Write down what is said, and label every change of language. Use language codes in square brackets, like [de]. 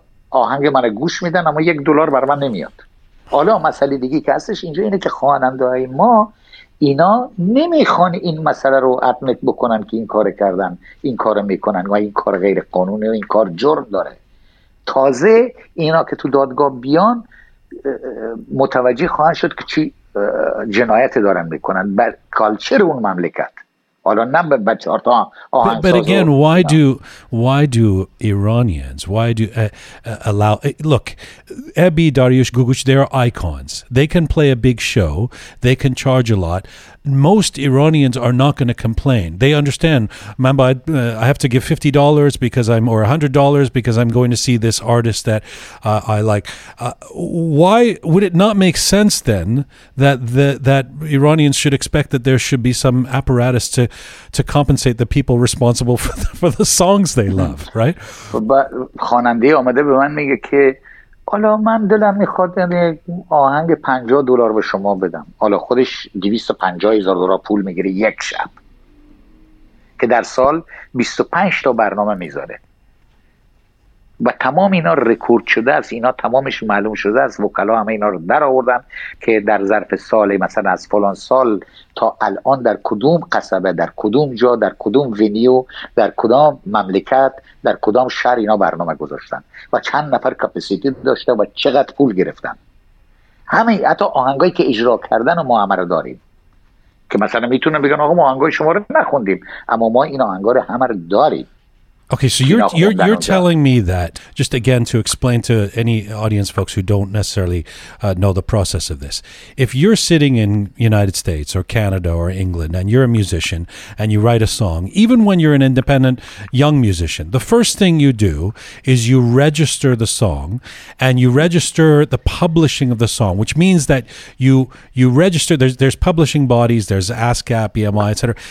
[fa] آهنگ منو گوش میدن اما یک دلار بر من نمیاد حالا مسئله دیگه که هستش اینجا اینه که خواننده های ما اینا نمیخوان این مسئله رو ادمیت بکنن که این کار کردن این کار میکنن و این کار غیر قانونه و این کار جرم داره تازه اینا که تو دادگاه بیان متوجه خواهند شد که چی جنایت دارن میکنن بر کالچر اون مملکت حالا نه به چهار تا آهنگ [en] But again, why do Iranians, why do allow, look, Ebi, Dariush, Gugush, they are icons. They can play a big show. They can charge a lot. Most Iranians are not going to complain. They understand, Mamba, I have to give $50 because I'm, or $100 because I'm going to see this artist that I like. Why would it not make sense then that that Iranians should expect that there should be some apparatus to compensate the people responsible for the songs they love, right? [fa] But خواننده آمده به من میگه که حالا من دلم میخواد یعنی آهنگ $50 به شما بدم، حالا خودش $250,000 پول میگیره یک شب، که در سال 25 تا برنامه میذاره و تمام اینا رکورد شده است، اینا تمامش معلوم شده است، وکلا همه اینا رو در آوردن که در ظرف سال مثلا از فلان سال تا الان در کدوم قصبه، در کدوم جا، در کدوم ونیو، در کدام مملکت، در کدام شهر اینا برنامه گذاشتن و چند نفر کپاسیتی داشته و چقدر پول گرفتن. همه حتی آهنگایی که اجرا کردن ما هم رو داریم، که مثلا میتونن بگن آقا ما آهنگای شما رو نخوندیم، اما ما این آهنگا رو همه رو داریم. [en] Okay, so you're telling me that, just again to explain to any audience folks who don't necessarily know the process of this, if you're sitting in United States or Canada or England and you're a musician and you write a song, even when you're an independent young musician, the first thing you do is you register the song and you register the publishing of the song, which means that you register, there's publishing bodies, there's ASCAP, BMI, etc.